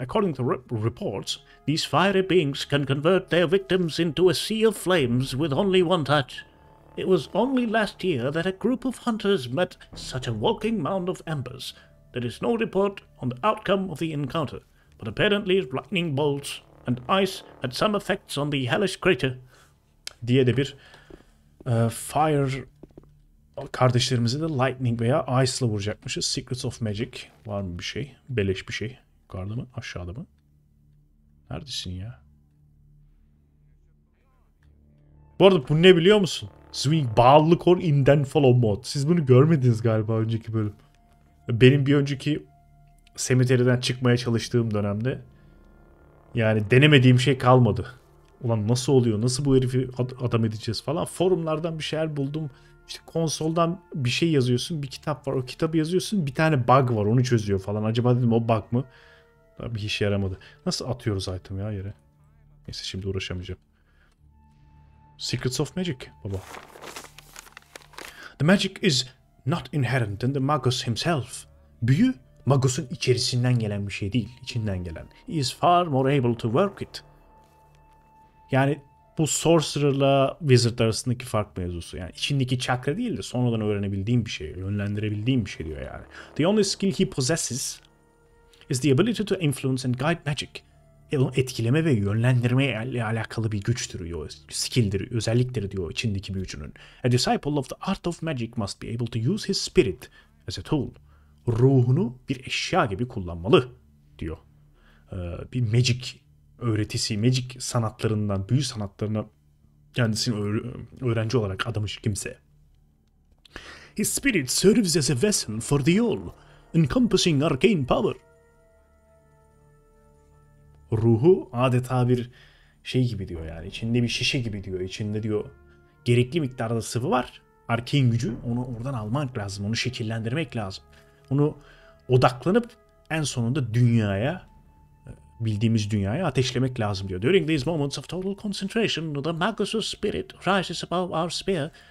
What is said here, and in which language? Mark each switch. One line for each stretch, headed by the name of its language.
English: According to reports, these fiery beings can convert their victims into a sea of flames with only one touch. It was only last year that a group of hunters met such a walking mound of embers. There is no report on the outcome of the encounter, but apparently lightning bolts and ice had some effects on the hellish creature.
Turkish: Diye de bir fire kardeşlerimizi de lightning veya ice'la vuracakmışız. Secrets of Magic var mı bir şey? Beleş bir şey. Yukarıda mı? Aşağıda mı? Neredesin ya? Bu arada bu ne biliyor musun? Swing bağlı kor in then follow mod. Siz bunu görmediniz galiba önceki bölüm. Benim bir önceki semiteriden çıkmaya çalıştığım dönemde yani denemediğim şey kalmadı. Ulan nasıl oluyor? Nasıl bu herifi adam edeceğiz falan. Forumlardan bir şeyler buldum. İşte konsoldan bir şey yazıyorsun. Bir kitap var. O kitabı yazıyorsun. Bir tane bug var. Onu çözüyor falan. Acaba dedim o bug mı? Bir işe yaramadı. Nasıl atıyoruz item ya yere? Neyse şimdi uğraşamayacağım. Secrets of Magic, baba.
English: The magic is not inherent in the magus himself.
Turkish: Büyü, magusun içerisinden gelen bir şey değil, içinden gelen.
English: He is far more able to work it.
Turkish: Yani bu Sorcerer'la Wizard arasındaki fark mevzusu. Yani içindeki çakra değil de sonradan öğrenebildiğim bir şey, yönlendirebildiğim bir şey diyor yani.
English: The only skill he possesses is the ability to influence and guide magic.
Turkish: Etkileme ve yönlendirme ile alakalı bir güçtür diyor, skill'dir, özelliktir diyor içindeki büyücünün.
English: A disciple of the art of magic must be able to use his spirit as a tool.
Turkish: Ruhunu bir eşya gibi kullanmalı diyor. Bir magic öğretisi, magic sanatlarından, büyü sanatlarına kendisini öğrenci olarak adamış kimse.
English: His spirit serves as a vessel for the all, encompassing arcane power.
Turkish: Ruhu adeta bir şey gibi diyor yani. İçinde bir şişe gibi diyor. İçinde diyor gerekli miktarda sıvı var. Arcane gücü, onu oradan almak lazım. Onu şekillendirmek lazım. Onu odaklanıp en sonunda dünyaya, bildiğimiz dünyaya ateşlemek lazım diyor.
English: During these moments of total concentration, the magus of spirit rises above our sphere.